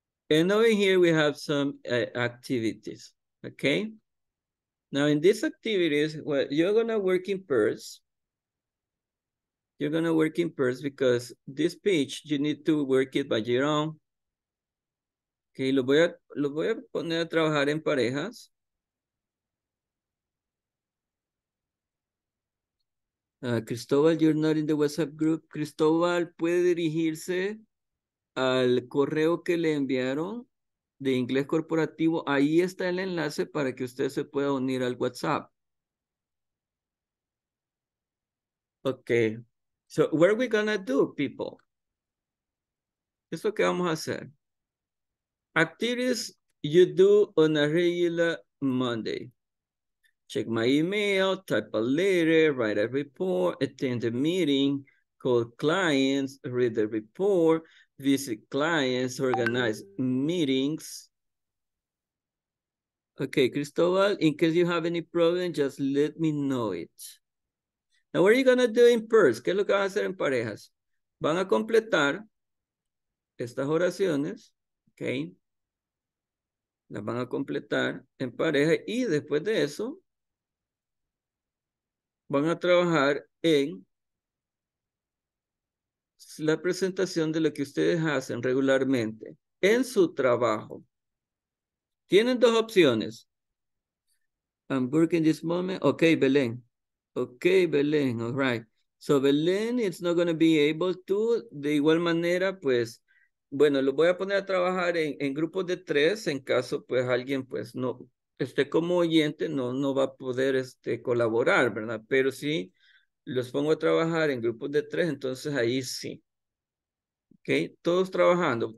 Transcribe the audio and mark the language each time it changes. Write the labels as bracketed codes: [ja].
[en] And over here, we have some activities, okay? Now, in these activities, well, you're going to work in pairs. You're going to work in pairs because this page, you need to work it by your own. [es] Okay, lo voy a poner a trabajar en parejas. Cristóbal, [en] you're not in the WhatsApp group. [es] Cristóbal puede dirigirse al correo que le enviaron de inglés corporativo, ahí está el enlace para que usted se pueda unir al WhatsApp. [en] Okay, so what are we gonna do, people? [es] Esto que vamos a hacer. [en] Activities you do on a regular Monday. Check my email, type a letter, write a report, attend a meeting, call clients, read the report, visit clients, organize meetings. Okay, Cristobal, in case you have any problem, just let me know it. Now, what are you gonna do in pairs? [es] ¿Qué es lo que van a hacer en parejas? Van a completar estas oraciones, okay? Las van a completar en pareja y después de eso, van a trabajar en la presentación de lo que ustedes hacen regularmente en su trabajo. Tienen dos opciones. [en] I'm working this moment. Okay, Belén. Okay, Belén. All right. So, Belén is not going to be able to. [es] De igual manera, pues, bueno, lo voy a poner a trabajar en grupos de tres en caso, pues, alguien, pues, no esté como oyente, no va a poder colaborar, ¿verdad? Pero sí, los pongo a trabajar en grupos de tres, entonces ahí sí. ¿Ok? Todos trabajando.